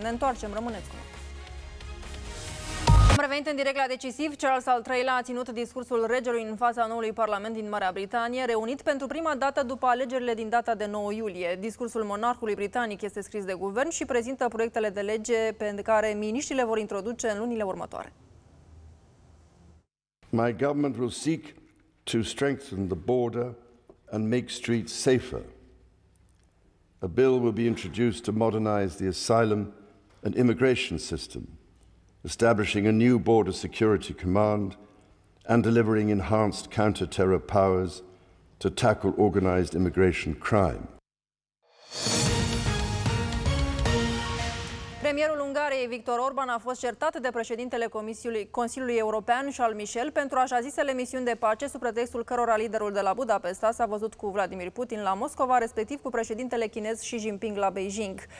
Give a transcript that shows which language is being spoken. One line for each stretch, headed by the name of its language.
Romanian: Ne întoarcem, rămâneți cu noi. Am revenit în direct la Decisiv. Charles al III-lea a ținut discursul regelui în fața noului parlament din Marea Britanie, reunit pentru prima dată după alegerile din data de 9 iulie. Discursul monarhului britanic este scris de guvern și prezintă proiectele de lege pe care miniștrii le vor introduce în lunile următoare.
English: My government will seek to strengthen the border and make streets safer. A bill will be introduced to modernize the asylum and immigration system, establishing a new border security command and delivering enhanced counter-terror powers to tackle organized immigration crime.
Romanian: Premierul Ungariei Victor Orban a fost certat de președintele Consiliului European Charles Michel pentru așa zisele misiuni de pace, sub pretextul cărora liderul de la Budapesta s-a văzut cu Vladimir Putin la Moscova, respectiv cu președintele chinez Xi Jinping la Beijing.